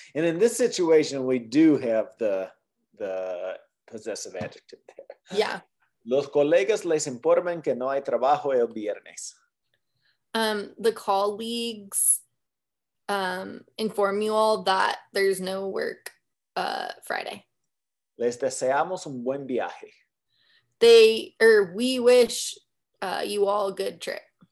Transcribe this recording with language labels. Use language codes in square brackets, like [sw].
[en] And in this situation, we do have the possessive adjective there. Yeah. [es] Los colegas les informan que no hay trabajo el viernes. [en] The colleagues inform you all that there's no work Friday. [es] Les deseamos un buen viaje. [en] We wish you all a good trip.